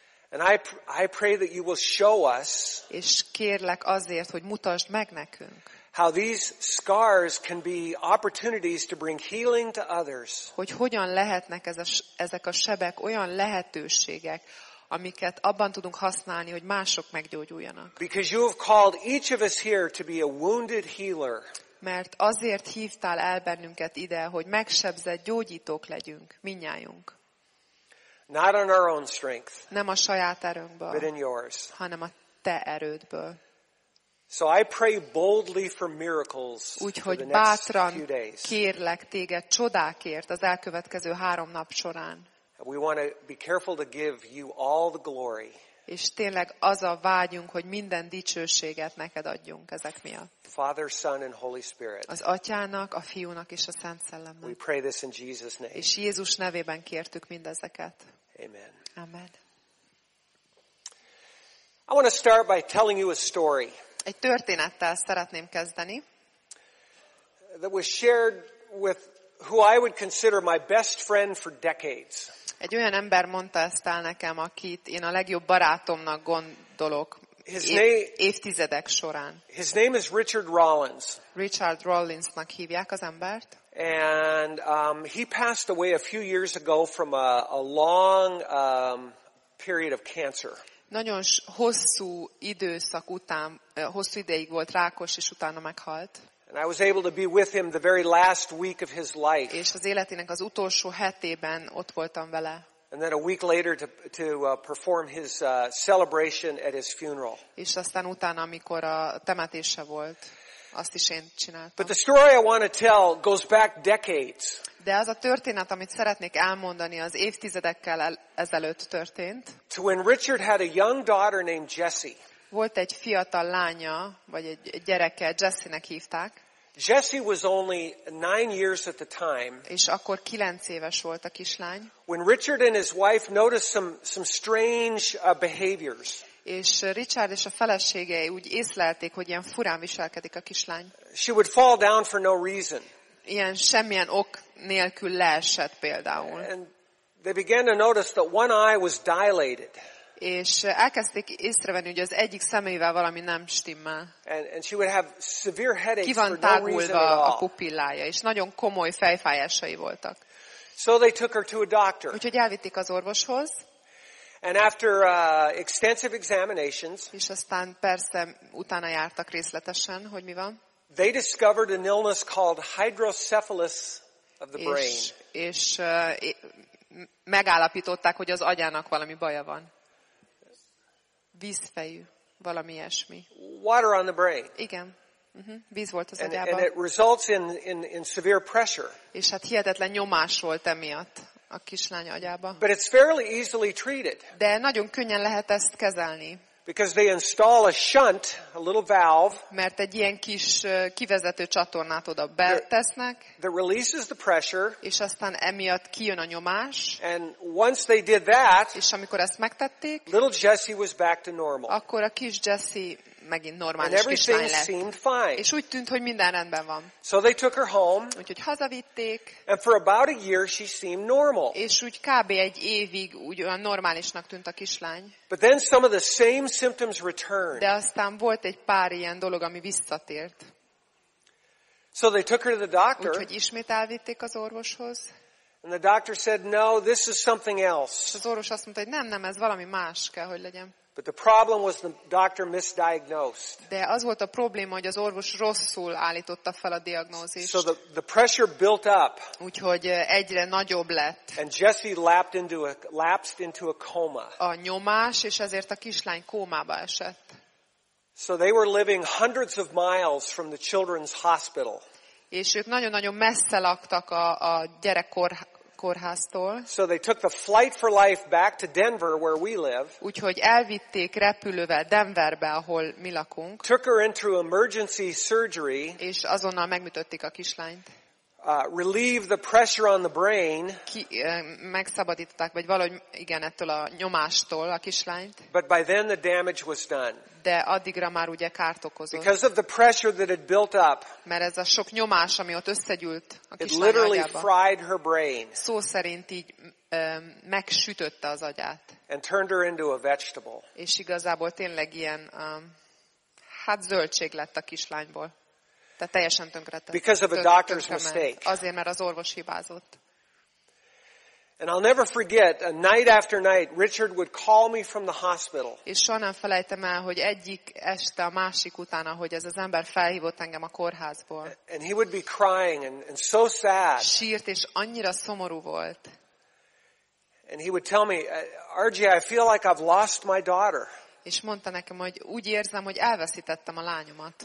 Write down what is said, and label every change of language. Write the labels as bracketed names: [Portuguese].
[English] And I pray that you will show us. [Hungarian] És kérlek azért, hogy mutasd meg nekünk. [English] how these scars can be opportunities to bring healing to others. [Hungarian] Hogy hogyan lehetnek ezek a sebek olyan lehetőségek, amiket abban tudunk használni, hogy mások meggyógyuljanak. [English] Because you have called each of us here to be a wounded healer. [Hungarian] Mert azért hívtál el bennünket ide, hogy megsebzett gyógyítók legyünk, mindnyájunk. [English] Not on our own strength. [Hungarian] Nem a saját erőnkből, [English] but in yours. [Hungarian] Hanem a te erődből. [English] So I pray boldly for miracles. [Hungarian] Úgyhogy bátran kérlek téged csodákért az elkövetkező 3 nap során. [English] We want to be careful to give you all the glory. [Hungarian] És tényleg az a vágyunk, hogy minden dicsőséget neked adjunk ezek miatt. [English] Father, Son and Holy Spirit. [Hungarian] Az Atyának, a Fiúnak és a Szent Szellemnek. [English] We pray this in Jesus' name. [Hungarian] És Jézus nevében kértük mindezeket. [English] Amen. [Hungarian] Amen. [English] I want to start by telling you a story. [Hungarian] Egy történettel szeretném kezdeni. [English] That was shared with who I would consider my best friend for decades. [Hungarian] Egy olyan ember mondta ezt el nekem, akit én a legjobb barátomnak gondolok évtizedek során. [English] His name is Richard Rawlins. [Hungarian] Richard Rawlinsnak hívják az embert. [English] And he passed away a few years ago from a long period of cancer. [Hungarian] Nagyon hosszú időszak után, hosszú ideig volt rákos, és utána meghalt. [English] And I was able to be with him the very last week of his life. [Hungarian] És az életének az utolsó hetében ott voltam vele. [English] And then a week later to perform his celebration at his funeral. [Hungarian] És aztán utána, amikor a temetése volt, azt is én csináltam. [English] But the story I want to tell goes back decades. [Hungarian] De az a történet, amit szeretnék elmondani, az évtizedekkel ezelőtt történt. [English] To when Richard had a young daughter named Jessie. [Hungarian] Volt egy fiatal lánya, vagy egy gyereke, Jessie-nek hívták. [English] Jessie was only 9 years at the time. [Hungarian] És akkor 9 éves volt a kislány. [English] When Richard and his wife noticed some strange behaviors. [Hungarian] És Richard és a felesége úgy észlelték, hogy ilyen furán viselkedik a kislány. [English] She would fall down for no reason. [Hungarian] Ilyen semmilyen ok nélkül leesett például. [English] And they began to notice that one eye was dilated. [Hungarian] És elkezdték észrevenni, hogy az egyik szemével valami nem stimmel. [English] And she would have severe headaches. [Hungarian] Ki van tágulva a pupillája, és nagyon komoly fejfájásai voltak. [English] So they took her to a doctor. [Hungarian] Úgyhogy elvitték az orvoshoz. [English] And after extensive examinations. [Hungarian] És aztán persze utána jártak részletesen, hogy mi van. [English] They discovered an illness called hydrocephalus of the brain. [Hungarian] És megállapították, hogy az agyának valami baja van. Vízfejű, valami ilyesmi. [English] Water on the brain. [Hungarian] Igen. Uh-huh. Víz volt az agyában. [English] And it results in severe pressure. [Hungarian] És hát hihetetlen nyomás volt emiatt a kislány agyába. [English] But it's fairly easily treated. [Hungarian] De nagyon könnyen lehet ezt kezelni. [English] Because they install a shunt, a little valve. [Hungarian] Mert egy ilyen kis kivezető csatornát oda betesznek. [English] That releases the pressure. [Hungarian] És aztán emiatt kijön a nyomás. [English] And once they did that, [Hungarian] és amikor ezt megtették, [English] little Jessie was back to normal. [Hungarian] Akkor a kis Jessie megint normális kislány lett. [English] And everything seemed fine. [Hungarian] És úgy tűnt, hogy minden rendben van. [English] So they took her home. [Hungarian] Úgyhogy hazavitték. [English] And for about a year she seemed normal. [Hungarian] És úgy kb. Egy évig úgy olyan normálisnak tűnt a kislány. [English] But then some of the same symptoms returned. [Hungarian] De aztán volt egy pár ilyen dolog, ami visszatért. [English] So they took her to the doctor. [Hungarian] Úgyhogy ismét elvitték az orvoshoz. [English] And the doctor said, no, this is something else. [Hungarian] És az orvos azt mondta, hogy nem, ez valami más kell, hogy legyen. [English] But the problem was the doctor misdiagnosed. [Hungarian] De az volt a probléma, hogy az orvos rosszul állította fel a diagnózist. [English] So the pressure built up. [Hungarian] Úgyhogy egyre nagyobb lett. [English] And Jessie lapsed into a coma. [Hungarian] A nyomás, és ezért a kislány kómába esett. [English] So they were living hundreds of miles from the children's hospital. [Hungarian] És ők nagyon-nagyon messze laktak a gyerekkor. [English] So they took the flight for life back to Denver where we live. [Hungarian] Úgyhogy elvitték repülővel Denverbe, ahol mi lakunk. [English] Took her into emergency surgery. [Hungarian] És azonnal megműtötték a kislányt. [English] Relieve the pressure on the brain. [Hungarian] Megszabadították, vagy valahogy igen, ettől a nyomástól a kislányt. [English] But by then the damage was done. [Hungarian] De addigra már ugye kárt okozott. [English] Because of the pressure that had built up. [Hungarian] Mert ez a sok nyomás, ami ott összegyűlt a kislány agyába. [English] It literally fried her brain. [Hungarian] Szó szerint így megsütötte az agyát. [English] And turned her into a vegetable. [Hungarian] És igazából tényleg ilyen, hát zöldség lett a kislányból. Tehát teljesen tönkretett. [English] Because of a doctor's mistake. [Hungarian] Azért, mert az orvos hibázott. [English] And I'll never forget a night after night Richard would call me from the hospital. [Hungarian] És soha nem felejtem el, hogy egyik este a másik után, ahogy ez az ember felhívott engem a kórházból. [English] And he would be crying and so sad. [Hungarian] Sírt és annyira szomorú volt. [English] And he would tell me, RJ, I feel like I've lost my daughter. [Hungarian] És mondta nekem, hogy úgy érzem, hogy elveszítettem a lányomat.